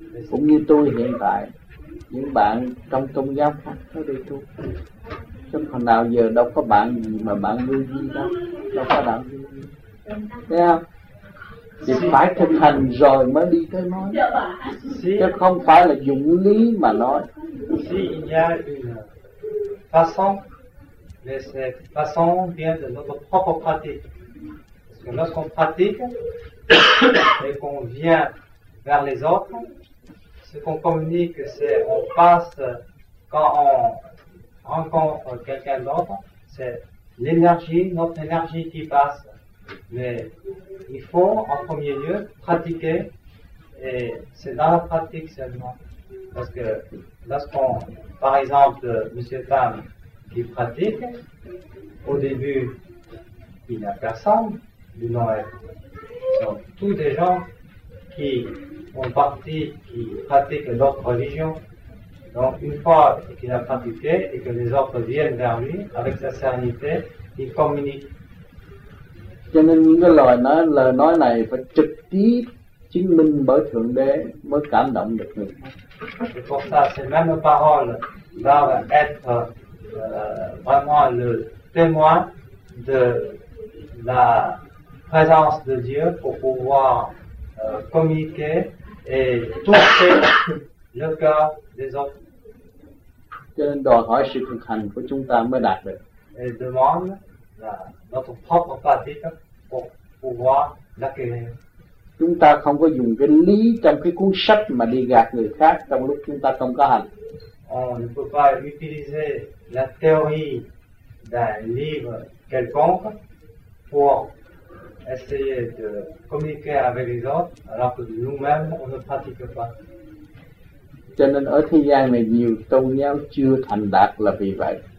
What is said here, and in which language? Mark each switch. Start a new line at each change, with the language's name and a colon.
Vietnamese: Cũng như tôi hiện tại. Những bạn trong tôn giáo khác tới đây tu. Chẳng còn nào giờ đâu có bạn gì mà bạn lưu duy đó. Đâu có đạo lưu duy. Thấy không? Thì phải thực hành rồi mới đi tới nói. Chứ không phải là dụng lý mà nói.
French: Si il y a une façon, mais cette façon vient de notre propre pratique. Parce que lorsqu'on pratique et qu'on vient vers les autres, ce qu'on communique, c'est on passe quand on rencontre quelqu'un d'autre, c'est l'énergie, notre énergie qui passe. Mais il faut en premier lieu pratiquer, et c'est dans la pratique seulement. Parce que lorsqu'on, par exemple, monsieur Tam, il pratique, au début, il n'y a personne du Noël. Donc, tous les gens qui font partie, qui pratiquent d'autres religions. Donc, une fois qu'il a pratiqué et que les autres viennent vers lui, avec sa sérénité, il communique.
Vietnamese: Cho nên những cái lời nói này phải trực tiếp chứng minh bởi Thượng Đế mới cảm động được người.
French: Et pour ça, ces mêmes paroles doivent être vraiment le témoin de la présence de Dieu pour pouvoir communiquer et toucher le cœur des autres.
Vietnamese: Cho nên đòi hỏi sự thực hành của chúng ta mới đạt được.
French: Et demande là notre propre pratique pour pouvoir l'acquérir.
Vietnamese: Chúng ta không có dùng cái lý trong cái cuốn sách mà đi gạt người khác trong lúc chúng ta không có hành.
French: On ne peut pas utiliser la théorie d'un livre quelconque pour essayer de communiquer avec les autres alors que nous-mêmes on ne pratique pas.
Vietnamese: Cho nên ở thế gian này nhiều tôn giáo chưa thành đạt là vì vậy.